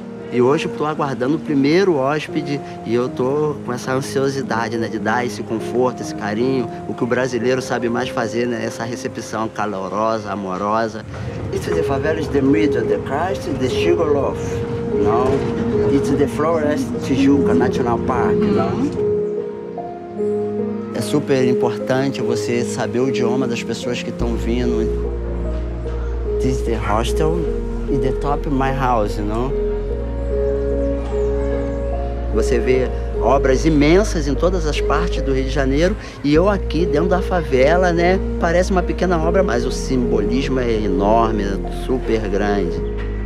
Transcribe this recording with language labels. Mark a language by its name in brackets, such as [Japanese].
[Portuguese] E hoje estou aguardando o primeiro hóspede e eu estou com essa ansiosidade, né, de dar esse conforto, esse carinho, o que o brasileiro sabe mais fazer, né, essa recepção calorosa, amorosa. [English] It's the favelas, the middle, the crust, the sugar loaf, no? It's the forest, Tijuca, National Park, no? [Portuguese] É super importante você saber o idioma das pessoas que estão vindo. [English] This is the hostel in the top of my house, no? [Portuguese] Você vê obras imensas em todas as partes do Rio de Janeiro e eu aqui dentro da favela, né? Parece uma pequena obra, mas o simbolismo é enorme, super grande.